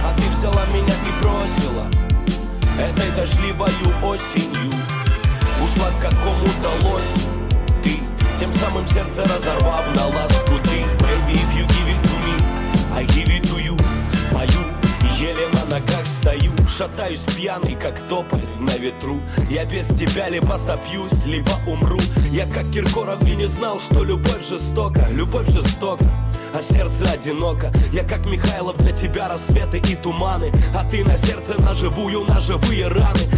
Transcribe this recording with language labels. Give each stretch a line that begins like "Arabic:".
Russian: Взяла меня и бросила этой дождливою осенью. Ушла к какому-то лосю ты, тем самым сердце разорвав на ласку ты.
English: Baby, if you give it to me, I give it to you.
Russian: Пою, еле на ногах стою. Шатаюсь пьяный, как тополь на ветру. Я без тебя либо сопьюсь, либо умру. Я как Киркоров и не знал, что любовь жестока. Любовь жестока, а сердце одиноко. Я как Михайлов, для тебя рассветы и туманы. А ты на сердце наживую, наживые раны.